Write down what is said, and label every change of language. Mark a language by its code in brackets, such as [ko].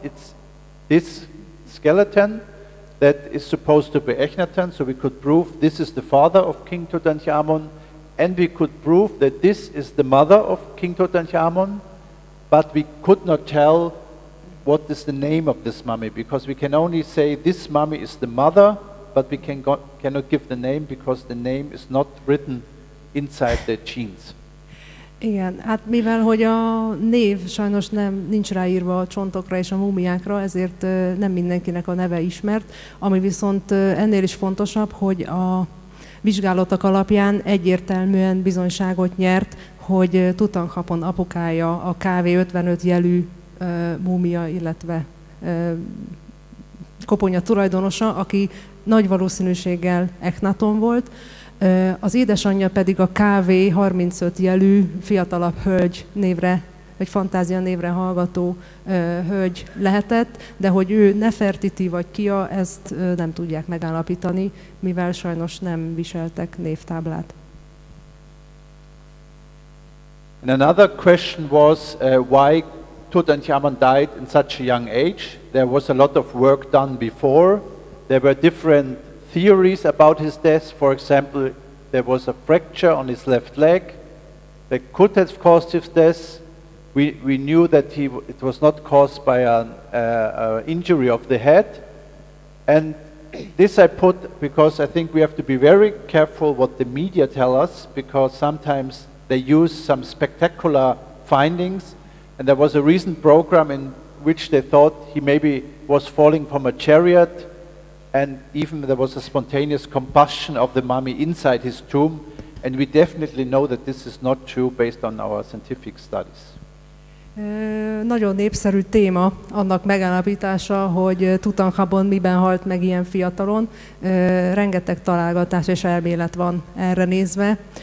[en] It's this skeleton that is supposed to be Echnaton, so we could prove this is the father of King Tutankhamun, and we could prove that this is the mother of King Tutankhamun, but we could not tell what is the name of this mummy, because we can only say this mummy is the mother, but we cannot give the name, because the name is not written inside the genes. [hu] Igen, hát mivel hogy a név sajnos nincs ráírva a csontokra és a múmiákra, ezért nem mindenkinek a neve ismert, ami viszont ennél is fontosabb, hogy a vizsgálatok alapján egyértelműen bizonyságot nyert, hogy Tutankhamon apukája a KV-55 jelű múmia, illetve koponya tulajdonosa, aki nagy valószínűséggel Echnaton volt. Az édesanyja pedig a KV-35 jelű fiatalabb hölgy névre, vagy fantázia névre hallgató hölgy lehetett, de hogy ő Nefertiti vagy Kia, ezt nem tudják megállapítani, mivel sajnos nem viseltek névtáblát. [en] And another question was why Tutankhamun died in such a young age. There was a lot of work done before. There were different theories about his death. For example, there was a fracture on his left leg that could have caused his death. We knew that it was not caused by an injury of the head. And this I put because I think we have to be very careful what the media tell us, because sometimes they use some spectacular findings. And there was a recent program in which they thought he maybe was falling from a chariot, and even there was a spontaneous combustion of the mummy inside his tomb, and we definitely know that this is not true based on our scientific studies. [hu] Nagyon népszerű téma annak megállapítása, hogy Tutankhamon miben halt meg ilyen fiatalon. Rengeteg találgatás és elmélet van erre nézve.